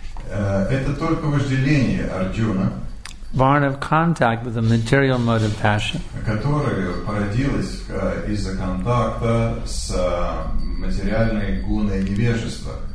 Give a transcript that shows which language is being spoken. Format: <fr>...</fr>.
<ru>Это только вожделение, Арджуна.</ru> <en>Born of contact with the material mode of passion.</en> <ru>Которая породилась из-за контакта с материальной гуной невежества.</ru>